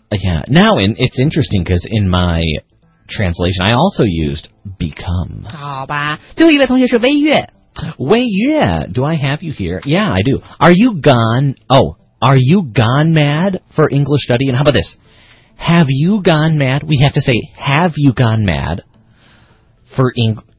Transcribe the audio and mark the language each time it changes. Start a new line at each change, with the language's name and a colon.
English: Yeah, now it's interesting because in my translation I also used become
Chinese: 好吧最后一位同学是微月
English: 微月 Do I have you here? Yeah, I do Are you gone? Oh, are you gone mad for English study? And how about this? Have you gone mad? We have to say Have you gone mad for English?